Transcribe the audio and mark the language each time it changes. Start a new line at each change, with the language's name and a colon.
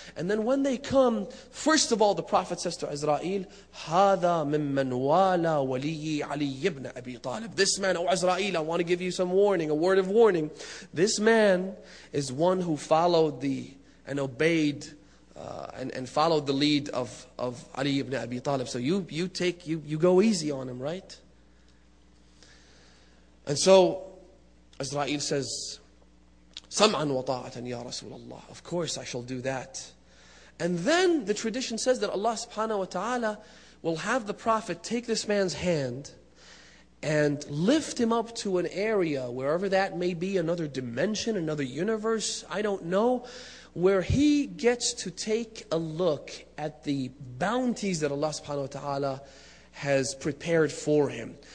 English: And then when they come, first of all, the Prophet says to Azrael,
Arabic: هَذَا مِمَّنْ وَالَى وَلِيِّ عَلِيِّ ابْنَ أَبِي طَالِبٍ.
English: This man, oh Azrael, I want to give you some warning, a word of warning. This man is one who followed the and obeyed and followed the lead of Ali ibn Abi Talib. So you go easy on him, right? And so Azrael says,
Arabic: سَمْعًا وَطَاعَةً يَا رَسُولَ اللَّهِ.
English: Of course I shall do that. And then the tradition says that Allah subhanahu wa ta'ala will have the Prophet take this man's hand and lift him up to an area, wherever that may be, another dimension, another universe, I don't know, where he gets to take a look at the bounties that Allah subhanahu wa ta'ala has prepared for him.